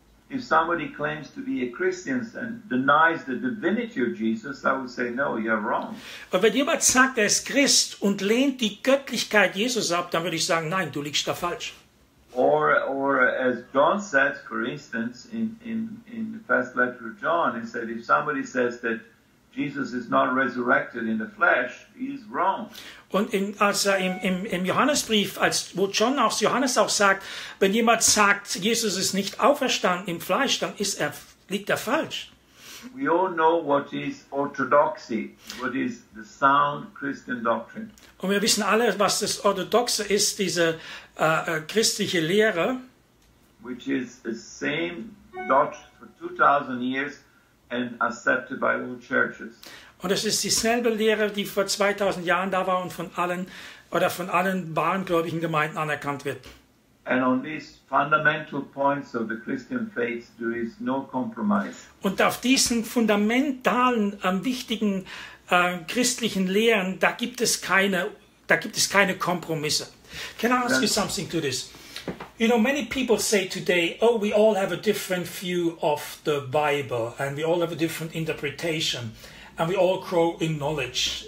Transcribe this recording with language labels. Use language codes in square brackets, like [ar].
[en] If somebody claims to be a Christian and denies the divinity of Jesus, I would say, no, you're wrong. [de] Aber wenn jemand sagt, er ist Christ und lehnt die Göttlichkeit Jesus ab, dann würde ich sagen, nein, du liegst da falsch. [en] Or as John said, for instance, in the first letter of John, he said, if somebody says that Jesus is not resurrected in the flesh, he is wrong. [de] Und im Johannesbrief, wo Johannes auch sagt, wenn jemand sagt, Jesus ist nicht auferstanden im Fleisch, dann liegt er falsch. [en] We all know what is orthodoxy, what is the sound Christian doctrine. [de] Und wir wissen alle, was das Orthodoxe ist, diese christliche Lehre. [en] Which is the same doctrine for 2000 years and accepted by all churches. [de] Und es ist dieselbe Lehre, die vor 2000 Jahren da war und von allen wahren gläubigen Gemeinden anerkannt wird. [en] And on these fundamental points of the Christian faith, there is no compromise. [de] Und auf diesen fundamentalen, wichtigen christlichen Lehren, da gibt es keine Kompromisse. [en] Can I ask you something to this? You know, many people say today, oh, we all have a different view of the Bible, and we all have a different interpretation, and we all grow in knowledge.